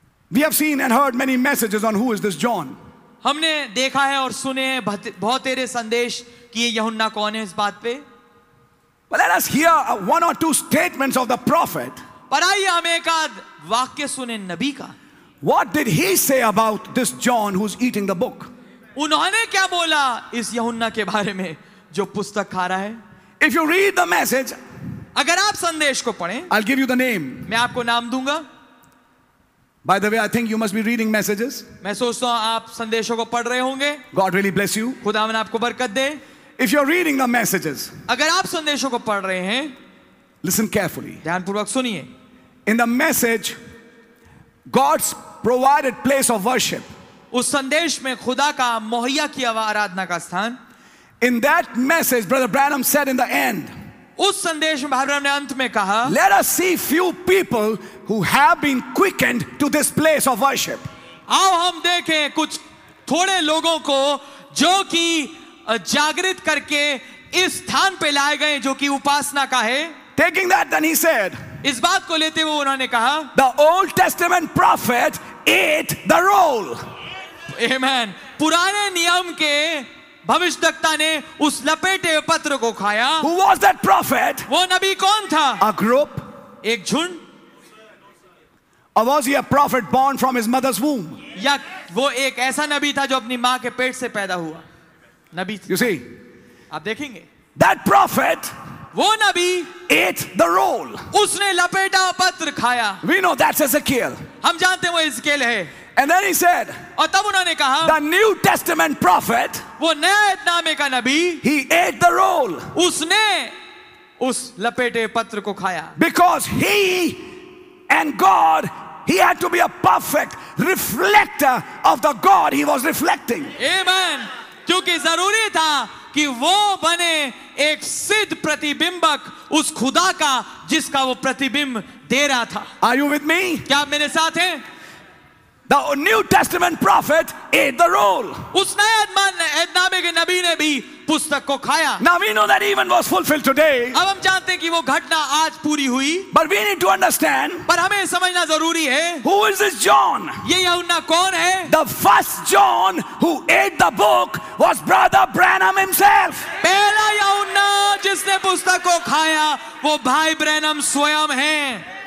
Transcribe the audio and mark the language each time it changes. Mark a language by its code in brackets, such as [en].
[en] We have seen and heard many messages on who is this John. [hi] हमने देखा है और सुने हैं बहुत तेरे संदेश कि ये यूहन्ना कौन है इस बात पे. [en] Well, let us hear one or two statements of the prophet. [hi] पर आइए हम एक आध वाक्य सुने नबी का. [en] What did he say about this John who's eating the book? [hi] उन्होंने क्या बोला इस यूहन्ना के बारे में जो पुस्तक खा रहा है? [en] If you read the message, [hi] अगर आप संदेश को पढ़ें, [en] I'll give you the name. [hi] मैं आपको नाम दूंगा. [en] By the way, I think you must be reading messages. [hi] मैं सोचता हूँ आप संदेशों को पढ़ रहे होंगे. [en] God really bless you. [hi] खुदावन आपको बरकत दे. [en] If you're reading the messages, [hi] अगर आप संदेशों को पढ़ रहे हैं, [en] listen carefully. [hi] ध्यानपूर्वक सुनिए. [en] In the message, God provided place of worship. [hi] उस संदेश में खुदा का मुहैया किया हुआ आराधना का स्थान. [en] In that message, Brother Branham said in the end. [hi] उस संदेश में भाई ब्रह्म ने अंत में कहा. [en] Let us see few people who have been quickened to this place of worship. [hi] आओ हम देखें कुछ थोड़े लोगों को जो कि जागृत करके इस स्थान पे लाए गए जो कि उपासना का है. [en] Taking that, then he said. [hi] इस बात को लेते हुए उन्होंने कहा. [en] The Old Testament prophet ate the roll. Amen. [hi] पुराने नियम के भविष्यद्वक्ता ने उस लपेटे पत्र को खाया. [en] Who was that prophet? [hi] वो नबी कौन था? [en] A group. [hi] एक झुंड. [en] Or was he a prophet born from his mother's womb? [hi] या वो एक ऐसा नबी था जो अपनी माँ के पेट से पैदा हुआ. नबी. [en] You see. [hi] आप देखेंगे. [en] That prophet. [hi] वो नबी. [en] Ate the roll. [hi] उसने लपेटा पत्र खाया. [en] We know that's Ezekiel. [hi] हम जानते हैं वो इज़कील है. [en] And then he said, [hi] और तब उन्होंने कहा, [en] the New Testament prophet, [hi] वो नए आयतनामे का नबी, [en] he ate the roll, [hi] उसने उस लपेटे पत्र को खाया, [en] because he and God, he had to be a perfect reflector of the God he was reflecting. Amen. [hi] क्योंकि जरूरी था कि वो बने एक सिद्ध प्रतिबिंबक उस खुदा का जिसका वो प्रतिबिंब दे रहा था. [en] Are you with me? [hi] क्या आप मेरे साथ हैं? [en] The New Testament prophet ate the roll. [hi] उस नए आयतनामे के नबी ने भी पुस्तक को खाया. [en] Now we know that event was fulfilled today. [hi] अब हम जानते हैं कि वो घटना आज पूरी हुई. [en] But we need to understand. [hi] पर हमें समझना जरूरी है. [en] Who is this John? [hi] ये यूहन्ना कौन है? [en] The first John who ate the book was Brother Branham himself. [hi] पहला यूहन्ना जिसने पुस्तक को खाया वो भाई ब्रैनम स्वयं हैं.